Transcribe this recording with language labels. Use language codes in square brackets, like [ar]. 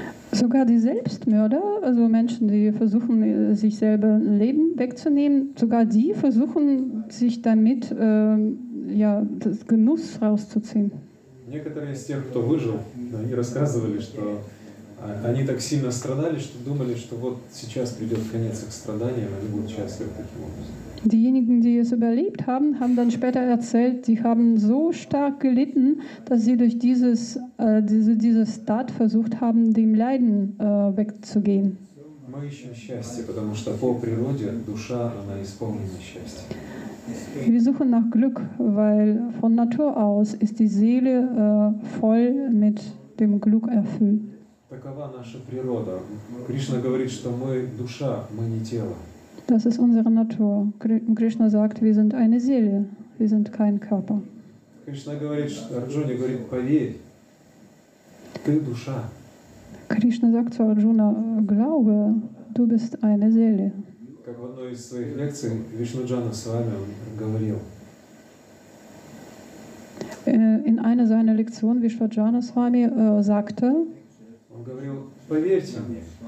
[de] Sogar die Selbstmörder, also Menschen, die versuchen, sich selber Leben wegzunehmen, sogar die versuchen, sich damit ja, das Genuss rauszuziehen. [ru] Некоторые из тех, кто выжил, они рассказывали, что они так сильно страдали, что думали, что вот сейчас придет конец их страданиям, они будут счастливы таким образом. [de] Diejenigen, die es überlebt haben, haben dann später erzählt, sie haben so stark gelitten, dass sie durch dieses Tat versucht haben, dem Leiden wegzugehen. [ru] Мы ищем счастье, потому что по природе душа, она исполнена счастья. [de] Wir suchen nach Glück, weil von Natur aus ist die Seele voll mit dem Glück erfüllt. [ru] Такова наша природа. Кришна говорит, что мы душа, мы не тело. [de] Das ist unsere Natur. Krishna sagt, wir sind eine Seele, wir sind kein Körper. [ru] Krishna говорит, Arjuna говорит, поверь, ты душа. [de] Krishna sagt zu Arjuna, glaube, du bist eine Seele. [ru] Как в одной из своих лекций Вишнуджана с вами говорил. [de] In einer seiner Lektionen Vishwajana Swami sagte. [ru] Он говорил, поверьте мне.